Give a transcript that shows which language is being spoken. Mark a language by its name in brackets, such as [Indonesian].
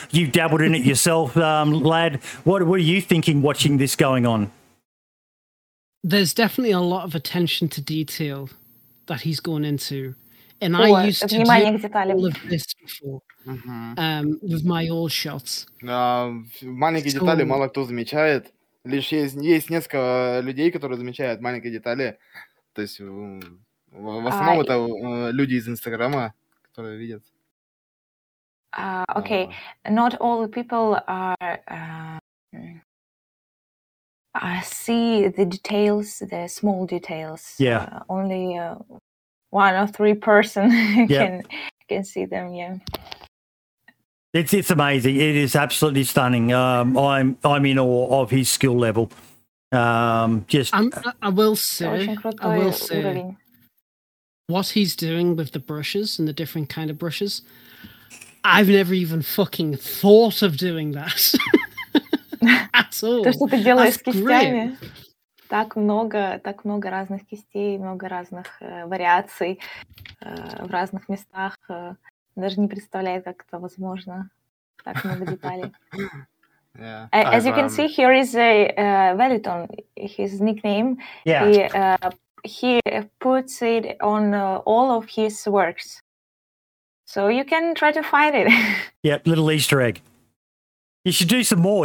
[English] You've dabbled in it yourself, lad. What are you thinking watching this going on? There's definitely a lot of attention to detail that he's gone into. And I used to do all of this before with my old shots. [Russian] Маленькие детали мало кто замечает. Лишь есть несколько людей, которые замечают маленькие детали. То есть в основном это люди из Инстаграма, которые видят. [English] Okay, not all people are see the details, the small details. Yeah. Only one or three person can see them. Yeah. It's amazing. It is absolutely stunning. I'm in awe of his skill level. I will say, what he's doing with the brushes and the different kind of brushes, I've never even fucking thought of doing that at all. [Russian] То что ты делаешь с кистями? Так много разных кистей, много разных вариаций в разных местах. Даже не представляет, как это возможно. [English] As you can see, here is a Veliton, his nickname. Yeah. He puts it on all of his works. So you can try to find it. Yeah, little Easter egg. You should do some more.